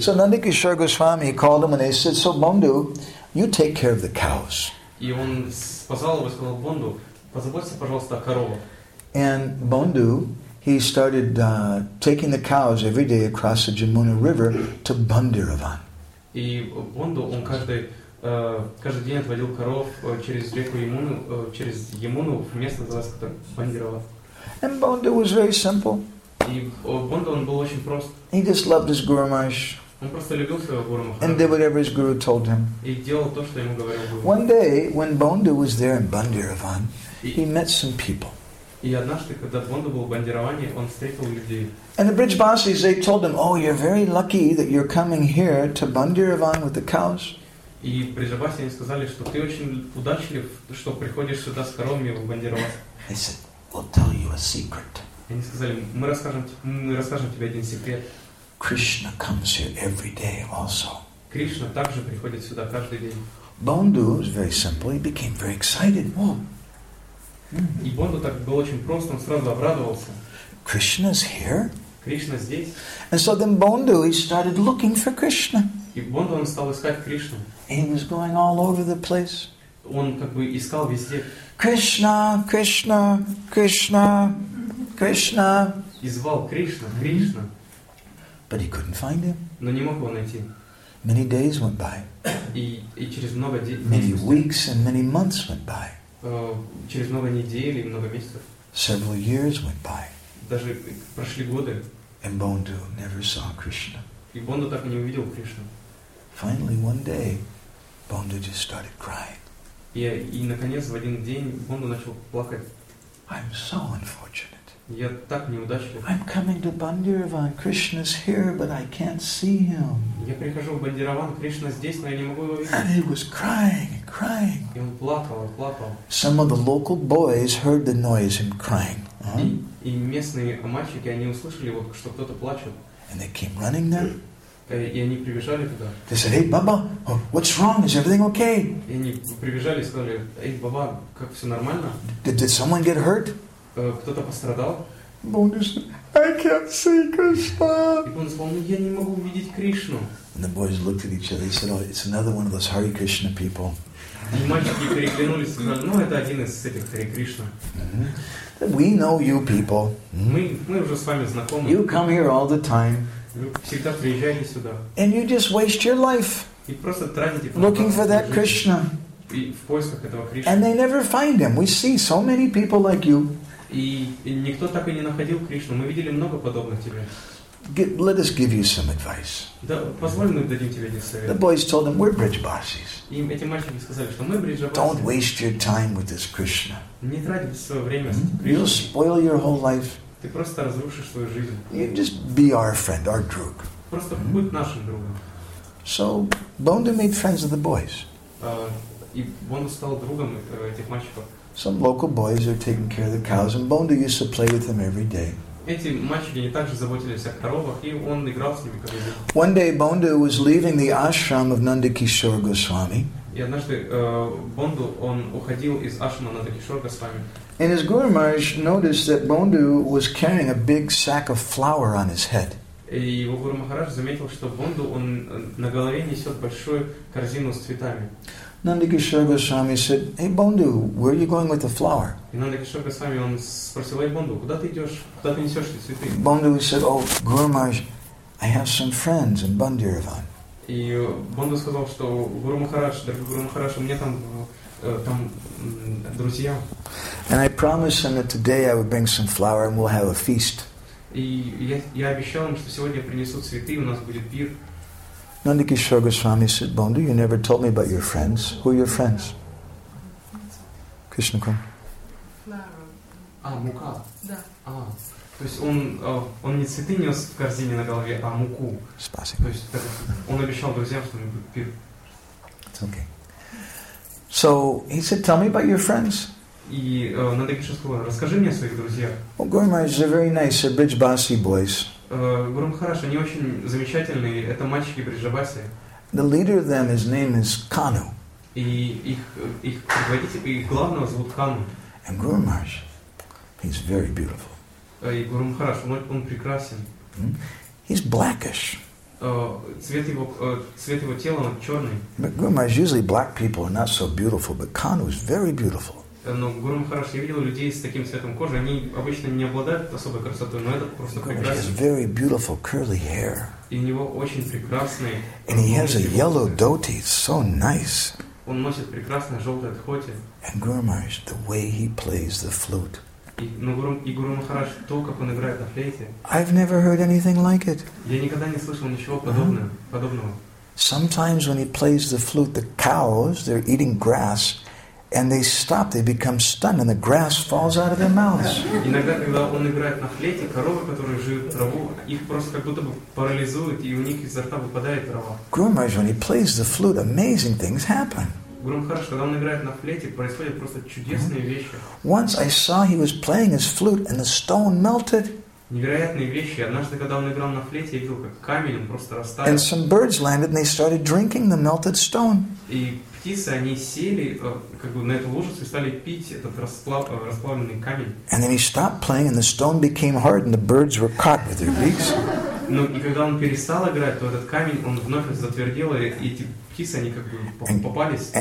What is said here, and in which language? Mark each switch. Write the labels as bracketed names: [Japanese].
[English] So Nandakishore Goswami called him and he said, "So Bondu, you take care of the cows." [Russian] И он позвал его и сказал, Бонду, позаботься, пожалуйста, о коровах. [English] And Bondu, he started taking the cows every day across the Jamuna River to Bandiravan. [Russian] И Бонду, он каждый день отводил коров через реку Ямуну, через Ямуну в место, называется Бандирова. [English] And Bondu was very simple. [Russian] И Бонду, он был очень прост. [English] He just loved his Guru Maharaj. [Russian] Он просто любил своего гуру Махараджа. [English] And did whatever his guru told him. [Russian] И делал то, что ему говорил гуру. [English] One day, when Bondu was there in Bandiravan, he met some people. [Russian] И однажды, когда Бонду был в Бандираване, он встретил людей. [English] And the bridge bosses, they told him, "Oh, you're very lucky that you're coming here to Bandiravan with the cows." [Russian] И бриджбасы им сказали, что ты очень удачлив, что приходишь сюда с коровами в Бандираван. [English] They said, "We'll tell you a secret." [Russian] Они сказали, мы расскажем тебе один секрет. [English] Krishna comes here every day also. [Russian] Кришна также приходит сюда каждый день. [English] Bondu is very simple. He became very excited. Whoa. [Russian] И Бонду так был очень прост, он сразу обрадовался. [English] Krishna's here? [Russian] Кришна здесь. [English] And so then Bondu, he started looking for Krishna. [Russian] И Бонду, он стал искать Кришну. [English] And he was going all over the place. [Russian] Он как бы искал везде. [English] Krishna, Krishna, Krishna, Krishna. [Russian] И звал Кришна, Кришна. [English] But he couldn't find him. [Russian] Но не мог его найти. [English] Many days went by. [Russian] И через много дней. [English] Many weeks and many months went by. [Russian] Через много недель и много месяцев. [English] Several years went by. [Russian] Даже прошли годы. [English] And Bondu never saw Krishna. [Russian] И Бонду так и не увидел Кришну. [English] Finally, one day, Bondu just started crying. [Russian] И наконец в один день Бонду начал плакать. [English] I'm so unfortunate. [Russian] Я так неудачлив. [English] I'm coming to Bandiravan. Krishna's here, but I can't see him. [Russian] Я прихожу в Бандираван, Кришна здесь, но я не могу его видеть. [English] And he was crying and crying. [Russian] И он плакал, он плакал. [English] Some of the local boys heard the noise and crying. [Russian] И местные мальчики, они услышали, вот, что кто-то плачет. [English] And they came running there. [Russian] И они прибежали туда. [English] They said, "Hey, Baba, what's wrong? Is everything okay?" [Russian] И они прибежали и сказали, "Эй, Баба, как все нормально?" [English] Did someone get hurt? [Russian] Кто-то пострадал. [English] Bondu said, "I can't see Krishna." [Russian] И он сказал, "Я не могу увидеть Кришну." [English] And the boys looked at each other. They said, "Oh, it's another one of those Hare Krishna people." [Russian] И мальчики переглянулись и сказали, "Ну, это один из этих Hare Krishna." [English] Mm-hmm. "We know you people." [Russian] Мы уже с вами знакомы. [English] "You come here all the time." [Russian] Вы всегда приезжаете сюда. [English] "And you just waste your life." [Russian] И просто тратите. [English] Looking for that Krishna. [Russian] И в поисках этого Кришны. [English] And they never find him. We see so many people like you. [Russian] И никто так и не находил Кришну. Мы видели много подобных тебе. [English] Let us give you some advice. [Russian] Да, позволь, мы дадим тебе один совет. [English] The boys told them, "We're bridge bosses." [Russian] Им эти мальчики сказали, что мы бридж боссы. [English] Don't waste your time with this Krishna. [Russian] Не трать свое время с Кришной. [English] You'll spoil your whole life. [Russian] Ты просто разрушишь свою жизнь. [English] You just be our friend, our [Russian] друг. Просто будь нашим другом. [English] So Bondu made friends with the boys. [Russian] И он стал другом этих мальчиков. [English] Some local boys are taking care of the cows, and Bondo used to play with them every day. [Russian] Эти мальчики не также заботились о коровах, и он играл с ними каждый день. [English] One day, Bondo was leaving the ashram of Nandakishore Goswami. [Russian] И однажды Бонду он уходил из ашрама Нандакишор Госвами. [English] And his Guru Maharaj noticed that Bondo was carrying a big sack of flour on his head. [Russian] И его Гуру Махарадж заметил, что Бонду он на голове несет большую корзину с цветами. [English] Nandakishore Goswami said, "Hey Bondo, where are you going with the flower?" [Russian] Nandakishore Goswami он спросил: "Эй, Бонду, куда ты идешь? Куда ты несешь эти цветы?" [English] Бонду said, "Oh, Guru Maharaj, I have some friends in Bandiravan." [Russian] И Бонду сказал, что Гуру Махарадж, дорогой Гуру Махарадж, у меня там там друзья. [English] And I promised him that today I would bring some flour and we'll have a feast. [Russian] И я обещал им, что сегодня принесут цветы, у нас будет пир. [English] Nandakishore Goswami said, "Bondo, you never told me about your friends. Who are your friends?" Krishna Kumar. Flour. [Russian] Ah, muka. Да. А, то есть он не цветы нес в корзине на голове, а муку. Спасибо. То есть он обещал друзьям, что мы будем пир. [English] It's okay. So he said, "Tell me about your friends." [Russian] И Nandakishore сказал, расскажи мне о своих друзьях. [English] Well, Guru Maharaj, they're very nice. They're Brijbasi boys. [Russian] Гуру Махарадж, они очень замечательные. Это мальчики Бриджабаси. The leader of them, his name is Kanu. И их предводитель, их главного зовут Кану. And Guru Maharaj, he's very beautiful. И Гуру Махарадж, он прекрасен. Mm-hmm. [English] He's blackish. [Russian] Цвет его тела, он черный. [English] But Guru Maharaj, usually black people are not so beautiful, but Kanu is very beautiful. [Russian] Но Гуру Махарадж, я видел людей с таким цветом кожи, они обычно не обладают особой красотой, но этот просто прекрасный. [English] He has very beautiful curly hair. [Russian] И у него очень прекрасный. [English] And he has a yellow dhoti, so nice. [Russian] Он носит прекрасное желтое дхоти. [English] And Guru Maharaj, the way he plays the flute. [Russian] И Гуру Махарадж, то, как он играет на флейте. [English] I've never heard anything like it. [Russian] Я никогда не слышал ничего подобного. [English] Sometimes when he plays the flute, the cows, they're eating grass. And they stop, they become stunned, and the grass falls out of their mouths. [Russian] Иногда, когда он играет на флейте, коровы, которые жуют траву, их просто как будто бы парализуют, и у них изо рта выпадает трава. [English] Guru Maharaj, when he plays the flute, amazing things happen. [Russian] Guru Maharaj, когда он играет на флейте, происходят просто чудесные вещи. [English] Once I saw he was playing his flute, and the stone melted. [Russian] Невероятные вещи. Однажды, когда он играл на флейте, я видел, как камень, он просто растаял. [English] And some birds landed, and they started drinking the melted stone. [Russian] И птицы, они сели как бы на эту лужицу и стали пить этот расплавленный камень. [English] And then he stopped playing, and the stone became hard, and the birds were caught with their beaks. [Russian] Ну, и когда он перестал играть, то этот камень, он вновь затвердел, и эти птицы, они как бы попались.